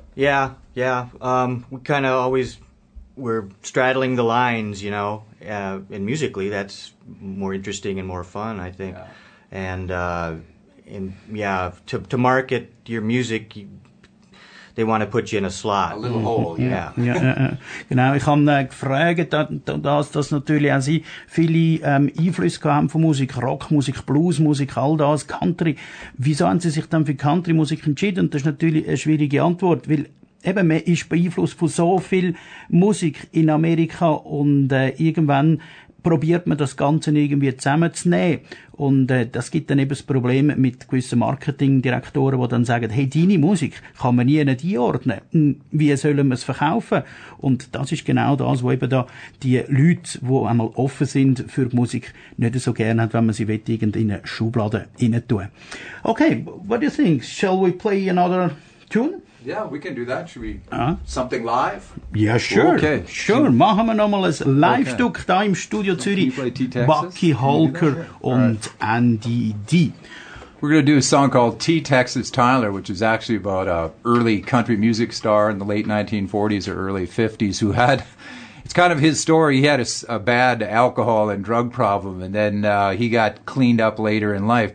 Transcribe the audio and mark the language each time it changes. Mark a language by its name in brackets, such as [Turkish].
[English] Yeah, we kind of always were straddling the lines, you know, and musically that's more interesting and more fun, I think. Yeah. To market your music, they want to put you in a slot. A little hole, yeah. [German] Genau, ich habe gefragt, dass natürlich auch sie viele Einflüsse gehabt haben von Musik, Rockmusik, Bluesmusik, all das, Country. Wieso haben sie sich dann für Country-Musik entschieden? Und das ist natürlich eine schwierige Antwort, weil eben, man ist beeinflusst von so viel Musik in Amerika und irgendwann probiert man das Ganze irgendwie zusammenzunehmen. Und das gibt dann eben das Problem mit gewissen Marketingdirektoren, die dann sagen, hey, deine Musik kann man nie einordnen. Wie sollen wir es verkaufen? Und das ist genau das, wo eben da die Leute, die einmal offen sind für die Musik, nicht so gerne haben, wenn man sie irgendwie in eine Schublade rein tun. [English] Okay, what do you think? Shall we play another tune? Yeah, we can do that. Should we something live? Yeah, sure. Okay, sure. [German] Machen wir nochmal ein Live-Stück da im Studio Zürich. Bucky Holker und Andy D. [English] We're going to do a song called T. Texas Tyler, which is actually about an early country music star in the late 1940s or early 50s who had, it's kind of his story. He had a bad alcohol and drug problem, and then he got cleaned up later in life.